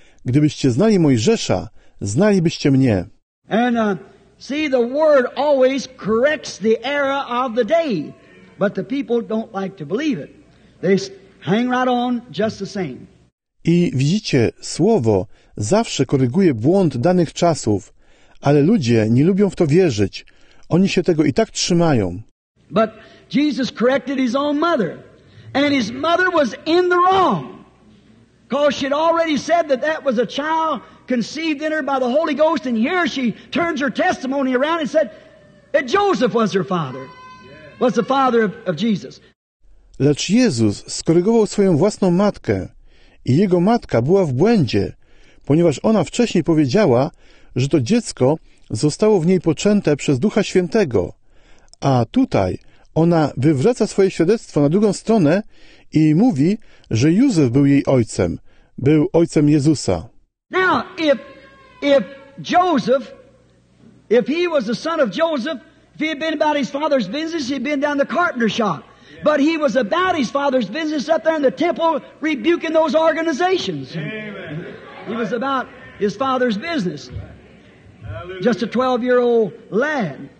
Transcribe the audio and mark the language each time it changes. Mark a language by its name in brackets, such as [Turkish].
[Polish] Gdybyście znali Mojżesza, znalibyście mnie. [English] And see, the word always corrects the error of the day, but the people don't like to believe it. They hang right on just the same. [Polish] I widzicie, słowo zawsze koryguje błąd danych czasów, ale ludzie nie lubią w to wierzyć. Oni się tego i tak trzymają. [English] But Jesus corrected his own mother, and his mother was in the wrong. Because she had already said that that was a child conceived in her by the Holy Ghost, and here she turns her testimony around and said that Joseph was her father, was the father of Jesus. [Polish] Lecz Jezus skorygował swoją własną matkę i jego matka była w błędzie, ponieważ ona wcześniej powiedziała, że to dziecko zostało w niej poczęte przez Ducha Świętego, a tutaj ona wywraca swoje świadectwo na drugą stronę i mówi, że Józef był jej ojcem, był ojcem Jezusa. [English] Now, if Joseph, if he was the son of Joseph, if he had been about his father's business, he'd been down the carpenter shop. But he was about his father's business up there in the temple rebuking those organizations. Amen. He was about his father's business. Just a 12-year-old lad.